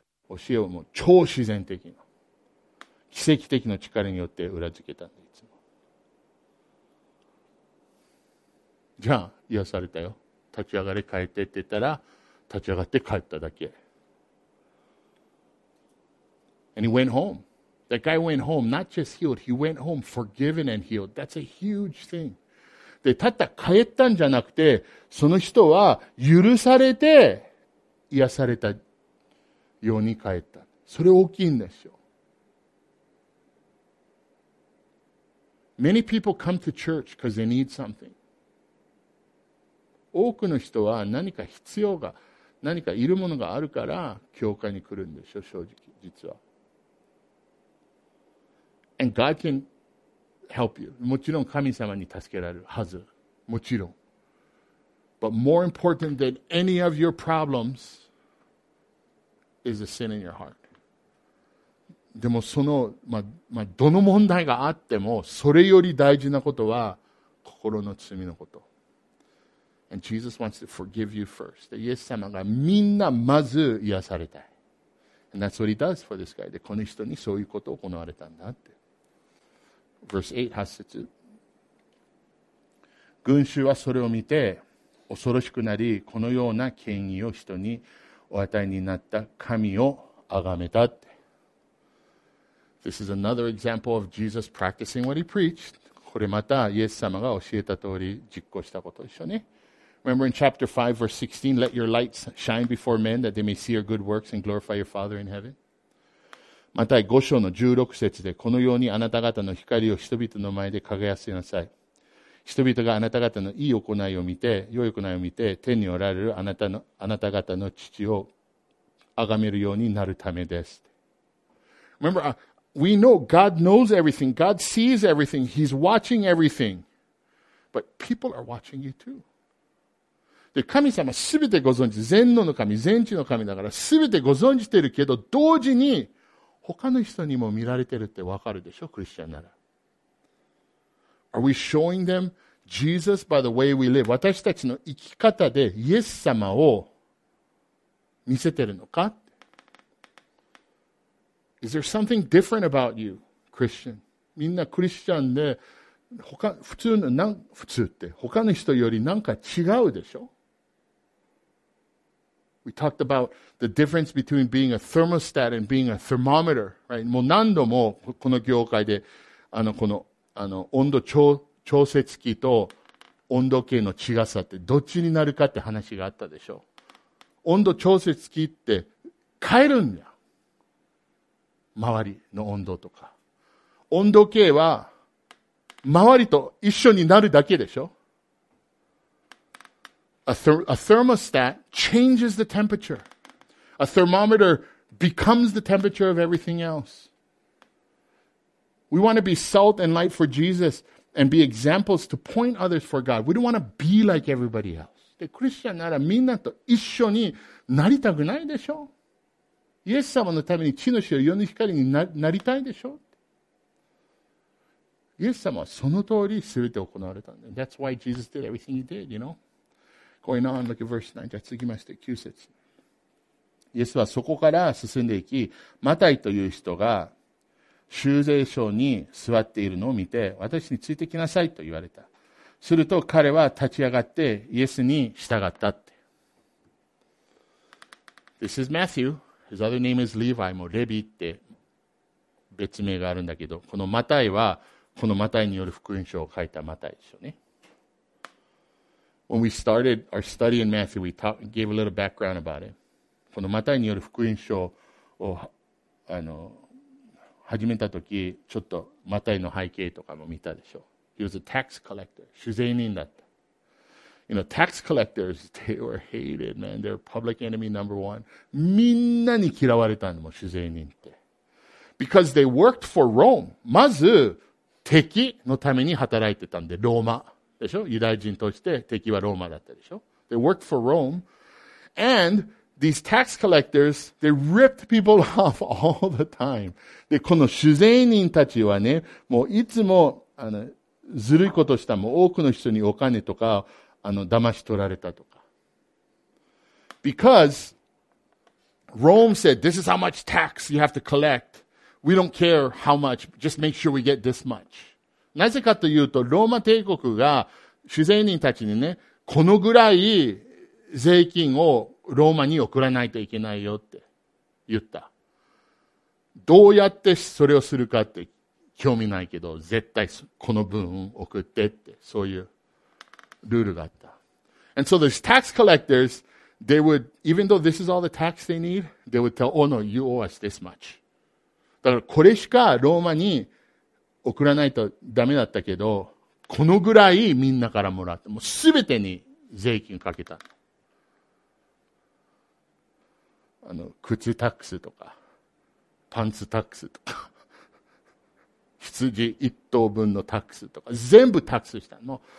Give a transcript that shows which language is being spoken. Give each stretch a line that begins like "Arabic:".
Japanese: 教えをもう超自然的な奇跡的な力によって裏付けたんで、いつも。じゃあ癒されたよ、立ち上がれ帰ってって言ったら立ち上がって帰っただけ。
English: And he went homeThat guy went home, not just healed, he went home forgiven and healed. That's a huge thing.
Japanese: で、たった帰ったんじゃなくて、その人は許されて癒されたように帰った。それ大きいんですよ。
English: Many people come to church because they need something.
Japanese: 多くの人は何か必要が、何かいるものがあるから、教会に来るんでしょ、正直、実は。
English: And God can help you.
Japanese: もちろん神様に助けられるはず。もちろん。
English: But more important than any of your problems is a sin in your heart.
Japanese: でもその、どの問題があっても、それより大事なことは心の罪のこと。
English: And Jesus wants to forgive you first.
Japanese: イエス様がみんなまず癒されたい。
English: And that's what he does for this guy.
Japanese: で、この人にそういうことを行われたんだって。
English: Verse 8,
Japanese: 群衆はそれを見て恐ろしくなり、このような権威を人にお与えになった神をあがめたって。
English: This is another example of Jesus practicing what he preached.
Japanese: これまたイエス様が教えた通り実行したことでしょうね。
English: Remember in chapter 5 verse 16, let your light shine before men that they may see your good works and glorify your Father in heaven.
Japanese: また5章の16節で、このようにあなた方の光を人々の前で輝かせなさい。人々があなた方のいい行いを見て、良い行いを見て、天におられるあなた方の父を崇めるようになるためです。
English: Remember, we know God knows everything. God sees everything. He's watching everything. But people are watching you too.
Japanese: で、神様すべてご存知。全能の神、全知の神だから、すべてご存知てるけど、同時に、他の人にも見られてるってわかるでしょ、クリスチャンなら。
English: Are we showing them Jesus by the way we live?
Japanese: 私たちの生き方でイエス様を見せてるのか？
English: Is there something different about you, Christian?
Japanese: みんなクリスチャンで他普通の普通って他の人よりなんか違うでしょ。
English: We talked about the difference between being a thermostat and being a thermometer, right?
Japanese: もう何度もこの業界でこの温度調節器と温度計の違さってどっちになるかって話があったでしょ。温度調節器って変えるんや。周りの温度とか。温度計は周りと一緒になるだけでしょ。
English: A thermostat changes the temperature. A thermometer becomes the temperature of everything else. We want to be salt and light for Jesus and be examples to point others for God. We don't want to be like everybody else.
Japanese: で、クリスチャンならみんなと一緒になりたくないでしょ。イエス様のために地の塩、世の光になりたいでしょ。イエス様はその通り全て行われたんだ。
English: That's why Jesus did everything he did, you know? Going on, look at verse 9.
Japanese: じゃあ続きまして9節。イエスはそこから進んでいき、マタイという人が収税所に座っているのを見て、私についてきなさいと言われた。すると彼は立ち上がってイエスに従ったって。
English: This is Matthew. His other name is Levi.
Japanese: もうレビって別名があるんだけど、このマタイはこのマタイによる福音書を書いたマタイでしょうね。
English: When we started our study in Matthew, we gave a little background about it.
Japanese: このマタイによる福音書を始めたとき、ちょっとマタイの背景とかも見たでしょう。
English: He was a tax collector,
Japanese: 主税人だった。
English: You know, tax collectors, they were hated, man. They're public enemy number one.
Japanese: みんなに嫌われたのも主税人って。
English: Because they worked for Rome.
Japanese: まず敵のために働いてたんで、ローマ。でしょ？ユダヤ人として敵はローマだったでしょ？
English: They worked for Rome. And these tax collectors, they ripped people off all the time.
Japanese: で、この主税人たちはね、もういつも、ずるいことした、もう多くの人にお金とか、騙し取られたとか。
English: Because Rome said, this is how much tax you have to collect. We don't care how much, just make sure we get this much.
Japanese: なぜかというと、ローマ帝国が主税人たちにね、このぐらい税金をローマに送らないといけないよって言った。どうやってそれをするかって興味ないけど、絶対この分送ってって、そういうルールがあった。
English: And so these tax collectors, they would, even though this is all the tax they need, they would tell, oh no, you owe us this much.
Japanese: だからこれしかローマに送らないとダメだったけど、このぐらいみんなからもらって、もうすべてに税金かけた。靴タックスとか、パンツタックスとか、羊一頭分のタックスとか、全部タックスしたの。